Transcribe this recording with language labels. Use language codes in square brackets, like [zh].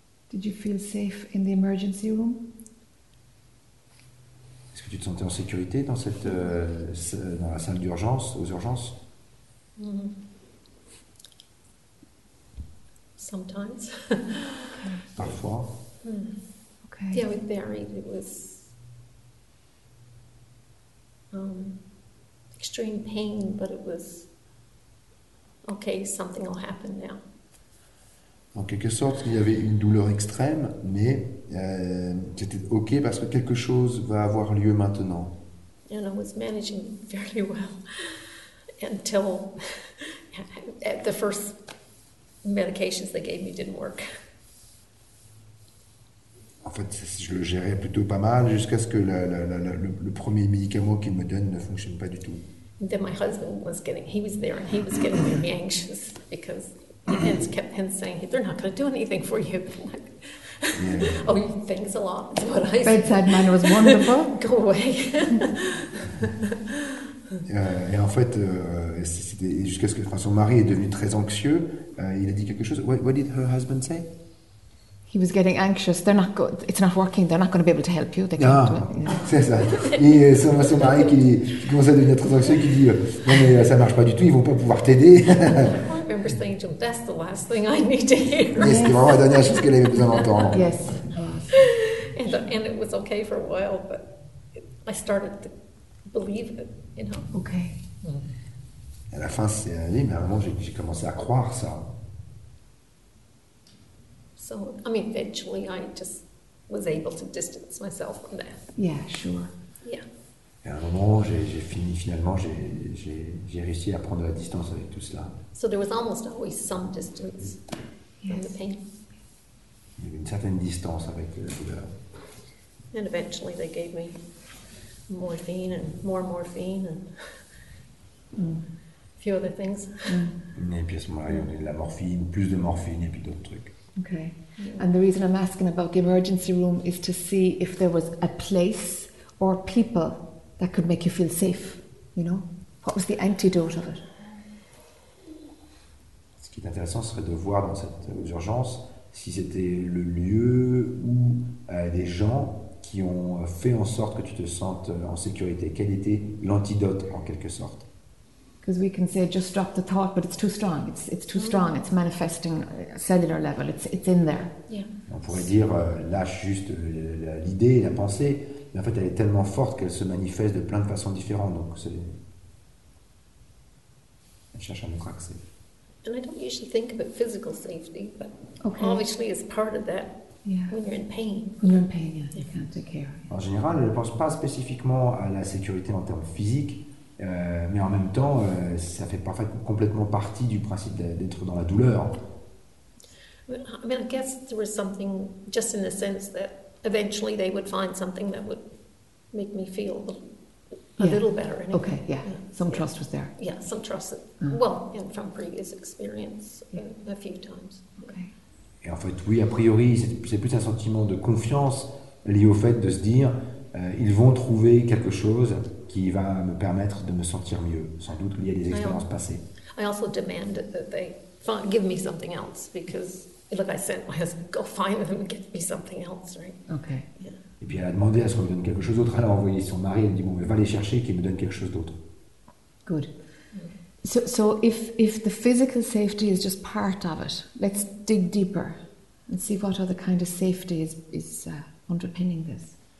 [en] Did you feel safe in the emergency room? [fr] Est-ce que tu te sentais en sécurité dans dans la salle d'urgence, aux urgences? Mm-hmm. [en] Sometimes. [fr] Parfois. Mm. Okay. [en] Yeah, with Barry, it was extreme pain, but it was okay. Something will happen now. [fr] En quelque sorte, il y avait une douleur extrême, mais c'était OK parce que quelque chose va avoir lieu maintenant. [en] And I was managing very well until the first medications they gave me didn't work. [fr] En fait, je le gérais plutôt pas mal jusqu'à ce que le premier médicament qu'ils me donnent ne fonctionne pas du tout. [en] And then my husband was getting, he was there and he was getting very anxious because and kept him saying, they're not going to do anything for you. Yeah. Oh, thanks a lot. That's what I said. Bedside manner was wonderful. Go away. [fr] Et en fait, jusqu'à ce que son mari est devenu très anxieux, il a dit quelque chose. [en] What did her husband say? He was getting anxious. They're not good. It's not working. They're not going to be able to help you. They can't do it. [fr] C'est ça. Et son mari qui commence à devenir très anxieux, qui dit, non, mais ça ne marche pas du tout. Ils ne vont pas pouvoir t'aider. [en] That's the last thing I need to hear. Yes. Yes. And it was okay for a while, but I started to believe it, you know. Okay. [fr] À la fin, c'est allé, mais à un moment, j'ai commencé à croire ça. [en] So, I mean, eventually, I just was able to distance myself from that. Yeah, sure. Yeah. [fr] Et à un moment, j'ai fini, finalement, j'ai réussi à prendre la distance avec tout cela. [en] So there was almost always some distance from the pain. [fr] Il y avait une certaine distance avec la douleur. [en] And eventually they gave me morphine and more morphine and a few other things. Mm. [fr] Et puis à ce moment-là, il y a de la morphine, plus de morphine et puis d'autres trucs. [en] Okay. And the reason I'm asking about the emergency room is to see if there was a place or people that could make you feel safe, you know? What was the antidote of it? [fr] Ce qui est intéressant, ce serait de voir dans cette urgence si c'était le lieu ou des gens qui ont fait en sorte que tu te sentes en sécurité. Quel était l'antidote, en quelque sorte? [en] Because we can say just drop the thought, but it's too strong. It's too strong. It's manifesting cellular level. It's in there. Yeah. [fr] On pourrait dire lâche juste l'idée, la pensée. Mais en fait, elle est tellement forte qu'elle se manifeste de plein de façons différentes. Donc, elle cherche un autre accès. [en] And I don't usually think about physical safety, but obviously it's part of that when you're in pain. When you're in pain, you can't take care. [fr] En général, elle ne pense pas spécifiquement à la sécurité en termes physiques, mais en même temps, ça fait parfois complètement partie du principe d'être dans la douleur. [en] I mean, I guess there was something just in the sense that eventually they would find something that would make me feel a little better. Anyway. Okay, some trust was there. Yeah, some trust. Well, and from previous experience, a few times. Okay. [fr] Et en fait, oui, a priori, c'est plus un sentiment de confiance lié au fait de se dire, ils vont trouver quelque chose qui va me permettre de me sentir mieux, sans doute lié à des expériences passées. [en] I also demanded that they give me something else, because, like I said, my husband, go find them, get me something else, right? Okay. Yeah. [fr] Et puis elle a demandé à ce qu'on lui donne quelque chose d'autre. Elle a envoyé son mari. Elle dit bon, mais va les chercher, qu'il me donne quelque chose d'autre. [en] Good. So if the physical safety is just part of it, let's dig deeper and see what other kind of safety is underpinning this.